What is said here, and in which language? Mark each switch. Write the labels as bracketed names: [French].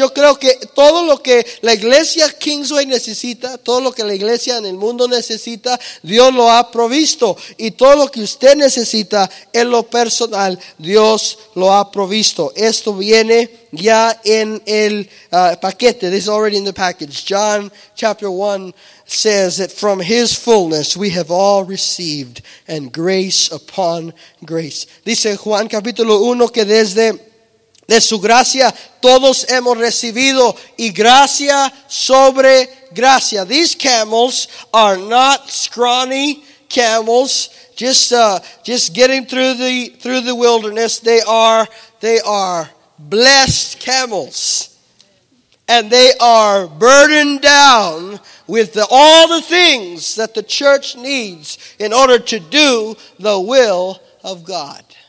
[Spanish] Yo creo que todo lo que la iglesia Kingsway necesita, todo lo que la iglesia en el mundo necesita, Dios lo ha provisto. Y todo lo que usted necesita en lo personal, Dios lo ha provisto. Esto viene ya en el paquete. [English] This is already in the package. John chapter 1 says that from his fullness we have all received, and grace upon grace. [Spanish] Dice Juan capítulo 1 que desde su gracia todos hemos recibido, y gracia sobre gracia. [English] These camels are not scrawny camels just getting through the wilderness. They are blessed camels. And they are burdened down with all the things that the church needs in order to do the will of God.